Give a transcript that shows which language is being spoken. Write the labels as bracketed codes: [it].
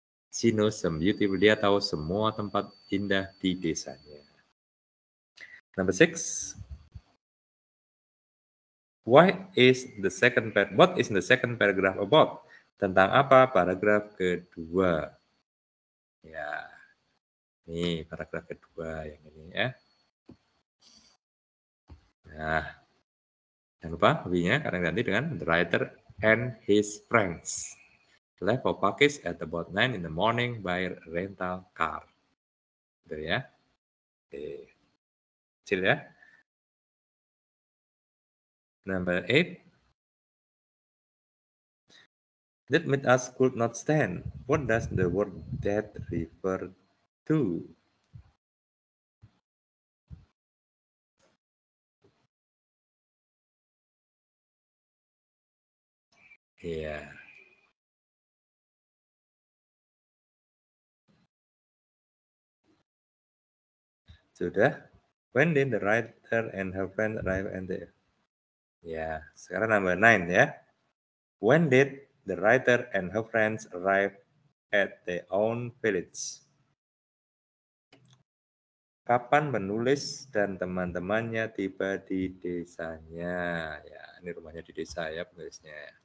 [en] She knows some beautiful, [id] dia tahu semua tempat indah di desanya. Number 6. [en] What is the second paragraph about? [id] Tentang apa paragraf kedua? Ya. Ini paragraf kedua yang ini ya. Nah. Jangan lupa V-nya kadang ganti dengan [en] the writer and his friends. Left for parkage at about 9 in the morning by rental car. [id] Gitu ya. Oke. Kecil ya. [en] Number 8. That made us could not stand. What does the word that refer to? Yeah. [id] Sudah. [en] When did the writer and her friend arrive at the... Ya, yeah. [id] Sekarang nambah 9 ya. [en] Yeah. When did the writer and her friends arrive at their own village? [id] Kapan penulis dan teman-temannya tiba di desanya? Ya, ini rumahnya di desa ya penulisnya.